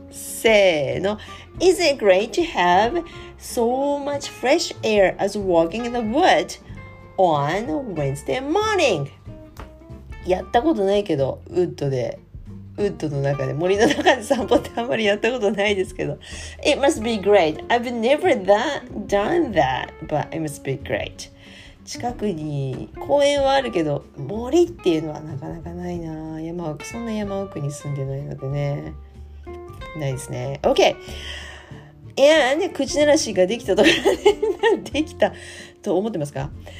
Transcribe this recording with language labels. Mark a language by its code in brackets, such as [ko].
[ja] せーの。 [en] Is it great to have so much fresh air as walking in the wood on Wednesday morning? [ja] やったことないけど、ウッドの中で、森の中で散歩ってあんまりやったことないですけど。 [en] It must be great. I've never done that, but it must be great. [ja] 近くに公園はあるけど、森っていうのはなかなかないな。山奥、そんな山奥に住んでないのでね。ないですね。OK! And, 口慣らしができたとか、できたと思ってますか？